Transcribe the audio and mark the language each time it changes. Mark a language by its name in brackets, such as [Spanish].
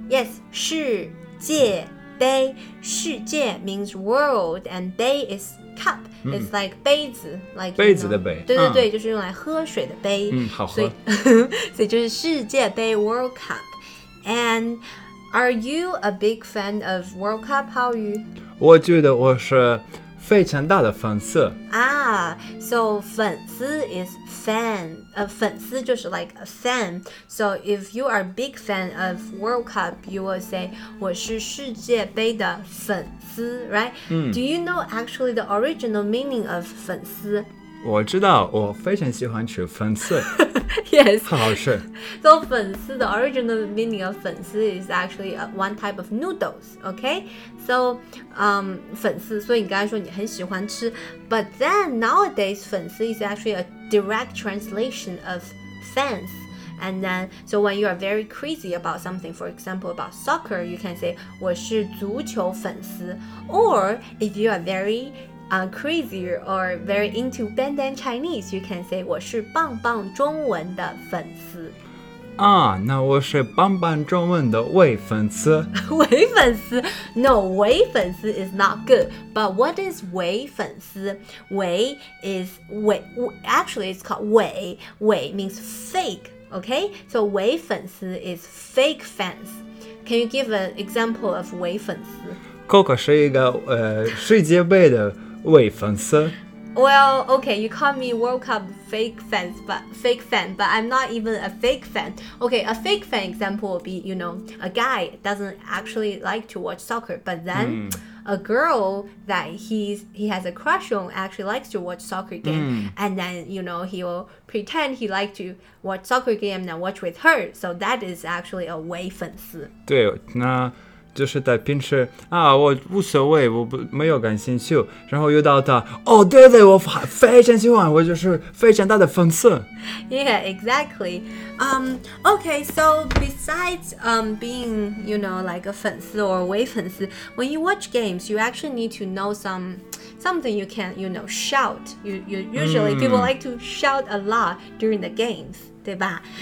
[English] Yes, 世界杯.世界 means world and 杯 is... Cup, it's like 杯子, like, [Chinese] 杯子的杯, [English] you know, [Chinese] 对对对, 就是用来喝水的杯, 好喝, 所以就是世界杯, [English] World Cup. And are you a big fan of World Cup, how are you? [Chinese] 我觉得我是非常大的粉丝。 [English] Ah, so 粉丝 is fan, [Chinese] 粉丝就是 [English] like a fan. So if you are a big fan of World Cup, you will say [Chinese] 我是世界杯的粉丝。 [English] Right? Do you know actually the original meaning of 粉丝? [Chinese] 我知道,我非常喜欢吃粉丝。 [English] Yes. [Chinese] 很好吃。 [English] So 粉丝, the original meaning of 粉丝 is actually one type of noodles, okay? [Chinese] So, 粉丝,所以你刚才说你很喜欢吃。 [English] But then, nowadays, 粉丝 is actually a direct translation of fans. And then, so when you are very crazy about something, for example, about soccer, you can say, [Chinese] 我是足球粉丝. [English] Or, if you are very crazy or very into Bang Bang Chinese, you can say, [Chinese] 我是棒棒中文的粉丝. Ah, 那我是棒棒中文的伪粉丝. [English] 伪粉丝?No, 伪粉丝 is not good. But what is 伪粉丝?伪 is, 伪, actually it's called 伪. 伪 means fake. Okay, so 伪粉丝 is fake fans. Can you give an example of 伪粉丝? [Chinese] Coco 是一个世界杯的伪粉丝。 [English] Well, okay, you call me World Cup fake fan, but I'm not even a fake fan. Okay, a fake fan example would be, you know, a guy doesn't actually like to watch soccer, but then... A girl that he has a crush on actually likes to watch soccer game. And then, you know, he will pretend he likes to watch soccer game and watch with her. So that is actually a 伪粉丝。 [Chinese] 对，那就是在平时啊，我无所谓，我不没有感兴趣。然后遇到他，哦，对对，我非常喜欢，我就是非常大的粉丝。 [English] Yeah, exactly. Okay, so besides being, you know, like a 粉丝 or 伪粉丝, when you watch games, you actually need to know something you can, you know, shout. You usually people like to shout a lot during the games, [Chinese] 对吧？